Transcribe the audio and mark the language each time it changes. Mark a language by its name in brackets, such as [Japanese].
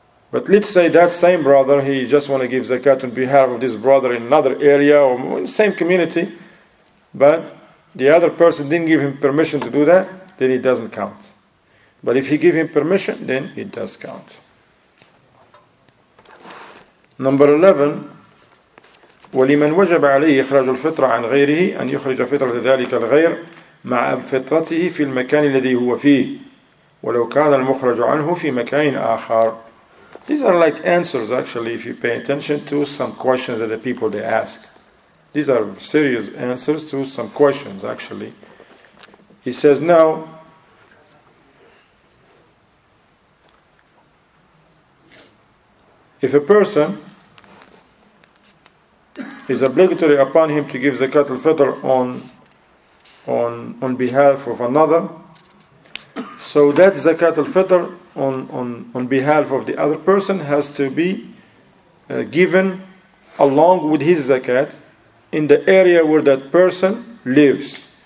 [English] But let's say that same brother, he just want to give zakat on behalf of this brother in another area or in the same community, but the other person didn't give him permission to do that, then it doesn't count. But if he give him permission, then it does count. Number 11, [Arabic] وَلِمَنْ وَجَبَ عَلَيْهِ إِخْرَاجُ الْفِطْرَ عَنْ غَيْرِهِ أَنْ يُخْرِجَ فِطْرَةَ ذَلِكَ الْغَيْرِ مَعَ فِطْرَتِهِ فِي الْمَكَانِ الَّذِي هُوَ فِيهِ وَلَوْ كَانَ الْمُخْرَجُ عَنْهُ فِي مَكَانٍ آخَرٍ. [English] These are like answers, actually, if you pay attention to some questions that the people they ask. These are serious answers to some questions, actually. He says, now, if a person is obligatory upon him to give zakat al-fitr on behalf of another, so that zakat al-fitr on behalf of the other person has to be given along with his zakat in the area where that person lives.